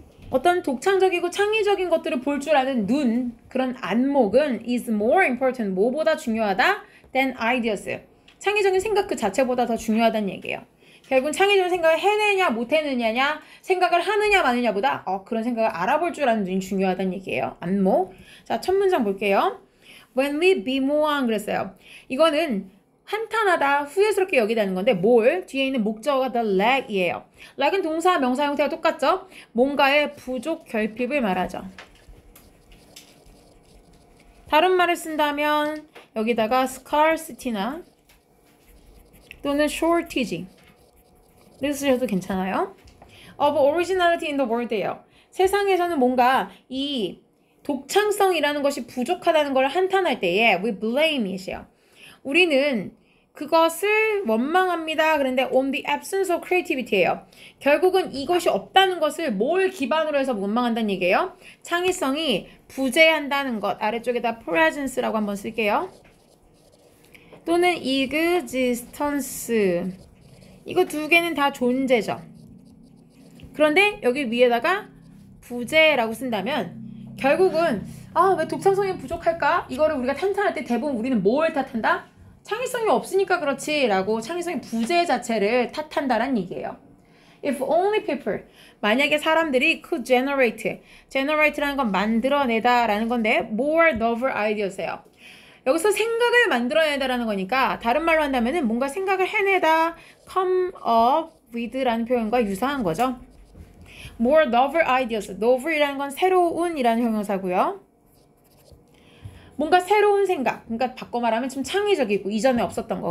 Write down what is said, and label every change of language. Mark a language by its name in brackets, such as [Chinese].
[Korean] 어떤 독창적이고 창의적인 것들을 볼줄 아는 눈, 그런 안목은 [English] is more important, [Korean] 뭐보다 중요하다 [English] than ideas. [Korean] 창의적인 생각 그 자체보다 더 중요하단 얘기예요. 결국은 창의적인 생각을 해내냐, 못해내냐냐, 생각을 하느냐, 마느냐보다 그런 생각을 알아볼 줄 아는 눈이 중요하단 얘기예요. 안목. 자, 첫 문장 볼게요. [English] When we bemoan [Korean] 그랬어요. 이거는 한탄하다, 후회스럽게 여기다는 건데, 뭘? 뒤에 있는 목적어가 the lack이에요. lack은 동사, 명사 형태가 똑같죠? 뭔가의 부족, 결핍을 말하죠. 다른 말을 쓴다면, 여기다가 scarcity나, 또는 shortage를 쓰셔도 괜찮아요. [English] of originality in the world예요. [Korean] 세상에서는 뭔가 이 독창성이라는 것이 부족하다는 걸 한탄할 때에, [English] we blame it [Korean] 이에요. 우리는 그것을 원망합니다. 그런데 [English] on the absence of creativity [Korean] 예요. 결국은 이것이 없다는 것을 뭘 기반으로 해서 원망한다는 얘기예요? 창의성이 부재한다는 것. 아래쪽에다 presence라고 한번 쓸게요. 또는 existence. 이거 두 개는 다 존재죠. 그런데 여기 위에다가 부재라고 쓴다면 결국은 아, 왜 독창성이 부족할까? 이거를 우리가 탄탄할 때 대부분 우리는 뭘 탓한다? 창의성이 없으니까 그렇지라고 창의성의 부재 자체를 탓한다란 얘기예요. [English] If only people, [Korean] 만약에 사람들이 [English] could generate, [Korean] generate라는 건 만들어내다라는 건데, [English] more novel ideas [Korean] 예요. 여기서 생각을 만들어내다라는 거니까 다른 말로 한다면은 뭔가 생각을 해내다, come up with라는 표현과 유사한 거죠. [English] More novel ideas, [Korean] novel이라는 건 새로운이라는 형용사고요. 뭔가 새로운 생각, 그러니까 바꿔 말하면 좀 창의적이고 이전에 없었던 거.